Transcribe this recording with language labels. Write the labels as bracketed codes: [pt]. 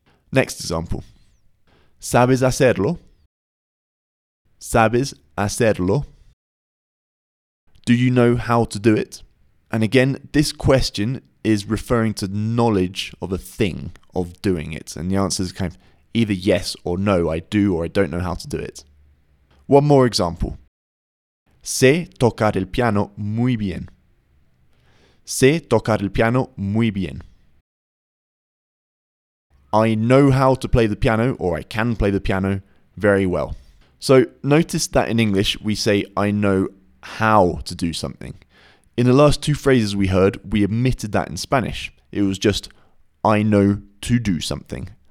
[es] Next example. ¿Sabes hacerlo? ¿Sabes hacerlo? [en] Do you know how to do it? And again, this question is referring to knowledge of a thing, of doing it. And the answer is kind of either yes or no, I do or I don't know how to do it. One more example. [es] Sé tocar el piano muy bien. Sé tocar el piano muy bien. [en] I know how to play the piano, or I can play the piano, very well. So notice that in English we say I know how to do something. In the last two phrases we heard, we omitted that in Spanish. It was just I know to do something.